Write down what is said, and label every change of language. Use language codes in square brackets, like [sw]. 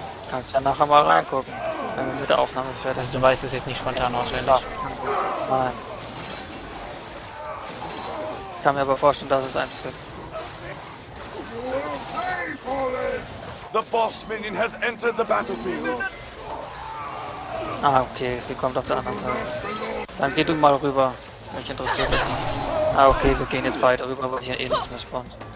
[de] Kannst ja nachher mal reingucken, wenn wir mit der Aufnahme fertig sind. Also, du weißt es jetzt nicht spontan auswendig. Nein. Ich kann mir aber vorstellen, dass es eins gibt. [en] The boss minion has entered the battlefield. [de] Ah, okay, sie kommt auf der anderen Seite. Dann geh du mal rüber. Mich interessiert das nicht. Ah, okay, wir gehen jetzt weiter rüber, weil hier eh nichts mehr spawnt.